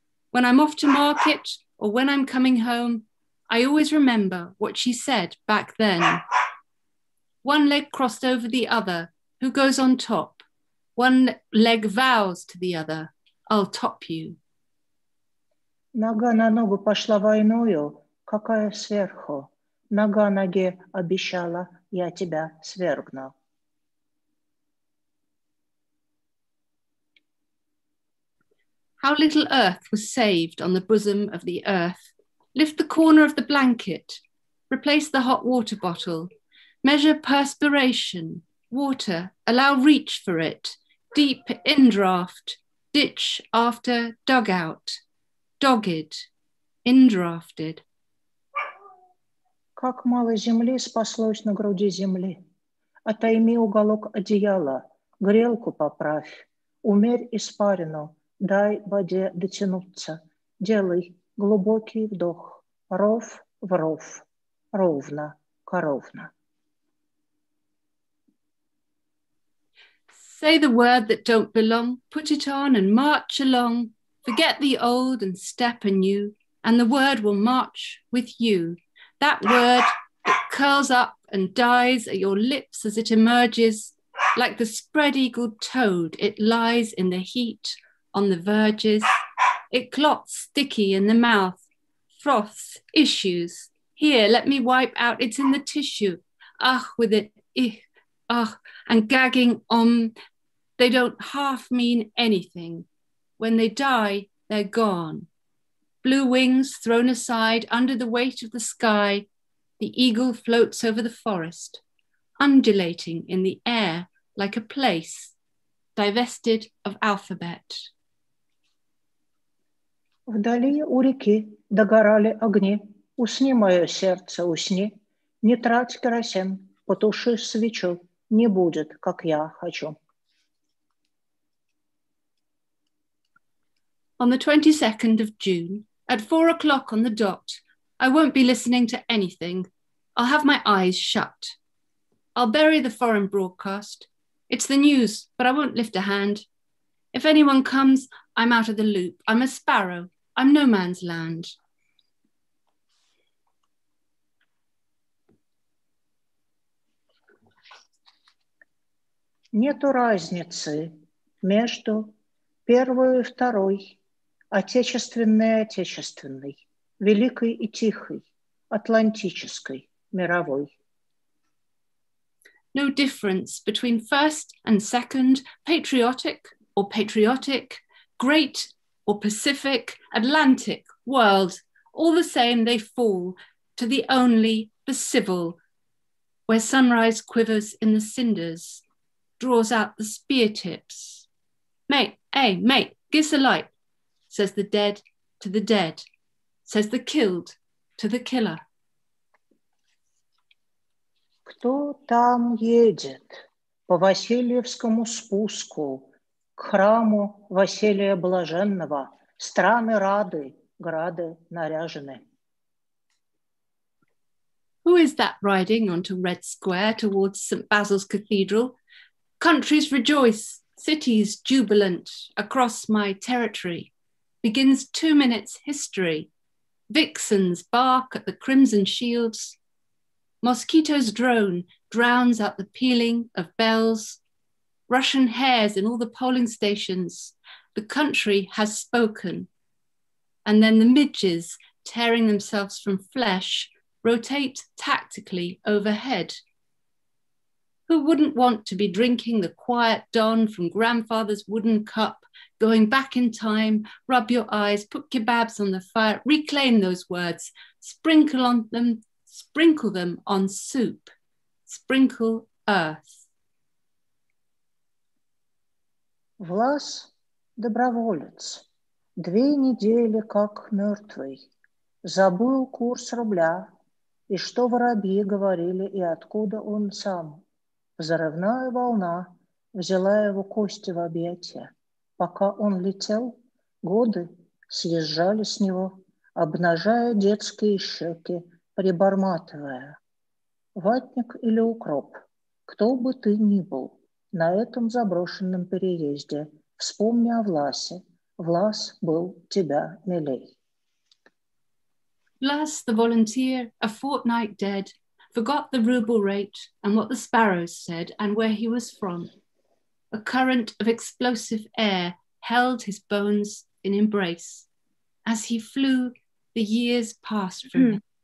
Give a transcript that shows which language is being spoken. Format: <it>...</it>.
<en>When I'm off to market or when I'm coming home, I always remember what she said back then. One leg crossed over the other, who goes on top? One leg vows to the other, I'll top you.</en> <ru>Нога на ногу пошла войною, какая сверху, нога ноге обещала, я тебя свергну.</ru> <en>How little earth was saved on the bosom of the earth. Lift the corner of the blanket, replace the hot water bottle, measure perspiration, water, allow reach for it, deep indraft, ditch after dugout, dogged, indrafted.</en> <ru>Как мало земли спаслось на груди земли. Отойми уголок одеяла, грелку поправь, умерь испарину, дай воде дотянуться, делай глубокий вдох, ров в ров, ровно, коровно.</ru> <en>Say the word that don't belong, put it on and march along. Forget the old and step anew, and the word will march with you. That word that curls up and dies at your lips as it emerges, like the spread eagle toad, it lies in the heat on the verges. It clots sticky in the mouth, froths, issues. Here, let me wipe out, it's in the tissue. Ah, with it, ich, ah. And gagging on, they don't half mean anything. When they die, they're gone. Blue wings thrown aside under the weight of the sky, the eagle floats over the forest, undulating in the air like a place, divested of alphabet.</en> <ru>Вдали у реки догорали огни. Усни, мое сердце, усни. Не трать керосин, потуши свечу. Не будет, как я хочу.</ru> <en>On the 22nd of June, at 4 o'clock on the dot, I won't be listening to anything. I'll have my eyes shut. I'll bury the foreign broadcast. It's the news, but I won't lift a hand. If anyone comes, I'm out of the loop. I'm a sparrow. I'm no man's land.</en> <ru>Нету разницы между первой и второй, отечественной и отечественной, великой и тихой, атлантической, мировой.</ru> <en>No difference between first and second, patriotic or patriotic, great or Pacific, Atlantic, world, all the same they fall to the only, the civil, where sunrise quivers in the cinders, draws out the spear tips. Mate, hey, mate, give us a light, says the dead to the dead, says the killed to the killer.</en> <ru>Кто там едет по Васильевскому спуску к храму Василия Блаженного? Страны рады, грады наряжены.</ru> <en>Who is that riding onto Red Square towards St. Basil's Cathedral? Countries rejoice, cities jubilant across my territory. Begins 2 minutes history. Vixens bark at the crimson shields. Mosquitoes drone, drowns out the pealing of bells. Russian hares in all the polling stations. The country has spoken. And then the midges, tearing themselves from flesh, rotate tactically overhead. Who wouldn't want to be drinking the quiet dawn from grandfather's wooden cup, going back in time, rub your eyes, put kebabs on the fire, reclaim those words, sprinkle them on soup, sprinkle earth.</en> <ru>Влас доброволец, 2 недели как мертвый, забыл курс рубля, и что воробьи говорили, и откуда он сам. Взрывная волна взяла его кости в объятия. Пока он летел, годы съезжали с него, обнажая детские щеки, прибарматывая. Ватник или укроп, кто бы ты ни был, на этом заброшенном переезде, вспомни о Власе. Влас был тебя милей.</ru> <en>Влас, the volunteer, a fortnight dead, forgot the ruble rate and what the sparrows said and where he was from. A current of explosive air held his bones in embrace. As he flew, the years passed from him.</en>